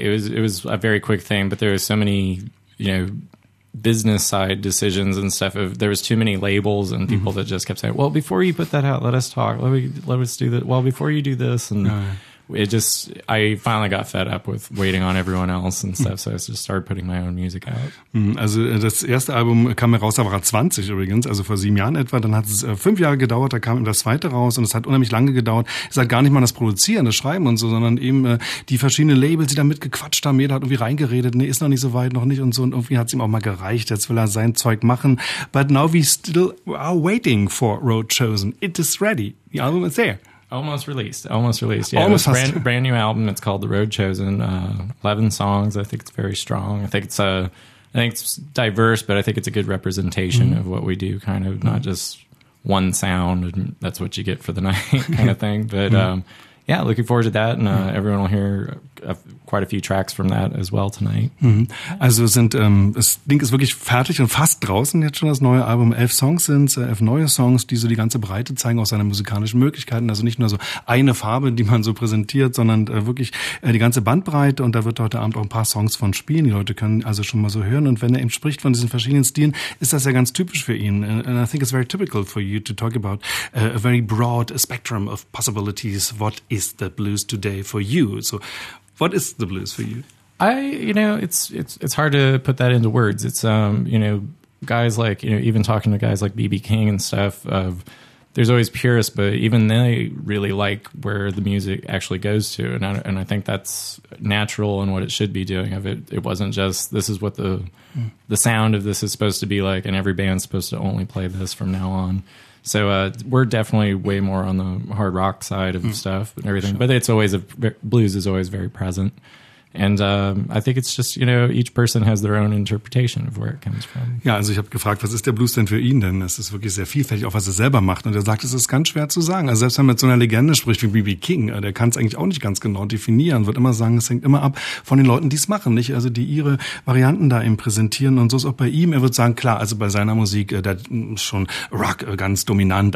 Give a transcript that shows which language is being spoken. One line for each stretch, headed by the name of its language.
English: It was a very quick thing, but there were so many, business side decisions and stuff. There was too many labels and people mm-hmm. that just kept saying, well, before you put that out, let us talk. Let us do that. Well, before you do this. And I finally got fed up with waiting on everyone else and stuff. So I just started putting my own music out.
German: Also das erste Album kam heraus, da war 20 übrigens, also vor 7 Jahren etwa. Dann hat es 5 Jahre gedauert, da kam das zweite raus und es hat unheimlich lange gedauert. Es hat gar nicht mal das Produzieren, das Schreiben und so, sondern eben die verschiedenen Labels, die da mitgequatscht haben. Jeder hat irgendwie reingeredet, nee, ist noch nicht so weit, noch nicht und so. Und irgendwie hat es ihm auch mal gereicht, jetzt will er sein Zeug machen.
English: But now we still are waiting for Road Chosen. It is ready. The album is there. Almost released. Yeah, almost brand new album. It's called The Road Chosen. 11 songs. I think it's very strong. I think it's diverse, but I think it's a good representation mm-hmm. of what we do, kind of mm-hmm. not just one sound and that's what you get for the night kind of thing. But looking forward to that, and everyone will hear quite a few tracks from that as well tonight.
German: Also das Ding ist wirklich fertig und fast draußen jetzt schon, das neue Album. 11 Songs sind es, 11 neue Songs, die so die ganze Breite zeigen, auch seine musikalischen Möglichkeiten. Also nicht nur so eine Farbe, die man so präsentiert, sondern wirklich die ganze Bandbreite. Und da wird heute Abend auch ein paar Songs von spielen. Die Leute können also schon mal so hören. Und wenn er eben spricht von diesen verschiedenen Stilen, ist das ja ganz typisch für ihn.
English: And I think it's very typical for you to talk about a very broad spectrum of possibilities. What is the blues today for you? So what is the blues for you? It's hard to put that into words. It's guys like, even talking to guys like B.B. King and stuff, there's always purists, but even they really like where the music actually goes to. And I think that's natural and what it should be doing. It wasn't just, this is what the sound of this is supposed to be like, and every band's supposed to only play this from now on. So we're definitely way more on the hard rock side of stuff and everything. Sure. But it's always, blues is always very present. And I think it's just, each person has their own interpretation of where it comes from.
German: Ja, also ich habe gefragt, was ist der Blues denn für ihn? Denn es ist wirklich sehr vielfältig, auch was er selber macht. Und er sagt, es ist ganz schwer zu sagen. Also selbst wenn man mit so einer Legende spricht wie B.B. King, der kann es eigentlich auch nicht ganz genau definieren. Wird immer sagen, es hängt immer ab von den Leuten, die es machen, nicht? Also die ihre Varianten da eben präsentieren. Und so ist auch bei ihm. Er wird sagen, klar, also bei seiner Musik, da ist schon Rock ganz dominant.